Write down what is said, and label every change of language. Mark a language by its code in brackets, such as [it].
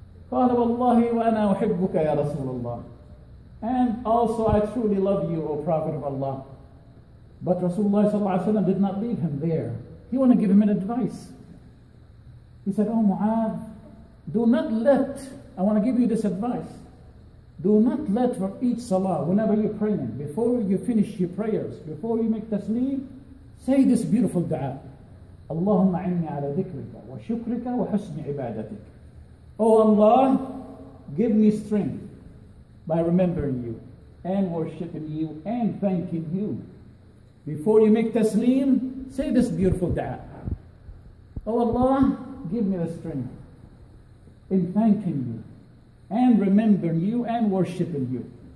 [ar] قال والله وأنا أحبك يا رسول الله. [en] And also I truly love you, O Prophet of Allah. But Rasulullah صلى الله عليه وسلم did not leave him there. He wanted to give him an advice. He said, Oh Mu'adh, do not let, I want to give you this advice. Do not let for each salah, whenever you're praying, before you finish your prayers, before you make tasleem, say this beautiful dua. [ar] اللهم عني على ذكرك وشكرك وحسن عبادتك. [en] Oh Allah, give me strength by remembering you. and worshiping you and thanking you. Before you make taslim, say this beautiful du'a. Oh Allah, give me the strength in thanking you and remembering you and worshiping you.